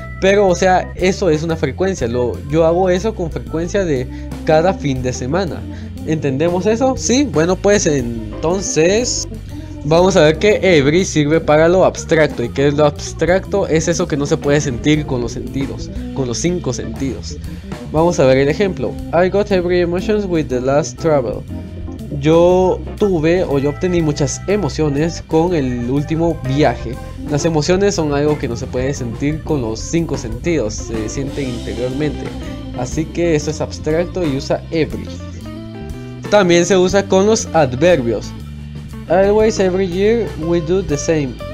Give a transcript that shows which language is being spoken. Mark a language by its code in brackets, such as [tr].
[es] Pero, o sea, eso es una frecuencia. Yo hago eso con frecuencia de cada fin de semana. ¿Entendemos eso? Sí, bueno, pues entonces vamos a ver que every sirve para lo abstracto. ¿Y qué es lo abstracto? Es eso que no se puede sentir con los sentidos, con los cinco sentidos. Vamos a ver el ejemplo. [en] I got every emotions with the last travel. [es] Yo tuve o yo obtení muchas emociones con el último viaje. Las emociones son algo que no se puede sentir con los cinco sentidos, se siente interiormente. Así que eso es abstracto y usa every. También se usa con los adverbios. [en] Always every year we do the same.